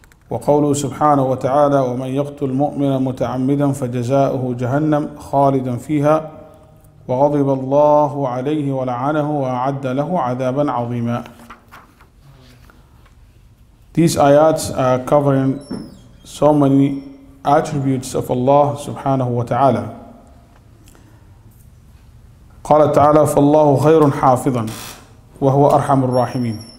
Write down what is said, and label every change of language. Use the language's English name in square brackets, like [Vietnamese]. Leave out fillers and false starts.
[Arabic] وقوله سبحانه وتعالى ومن يقتل مؤمنا متعمدا فجزاؤه جهنم خالدا فيها وغضب الله عليه ولعنه وأعد له عذابا عظيما. [English] These ayats are covering so many attributes of Allah [Arabic] سبحانه وتعالى. قال تعالى فالله خير حافظا وهو أرحم الراحمين.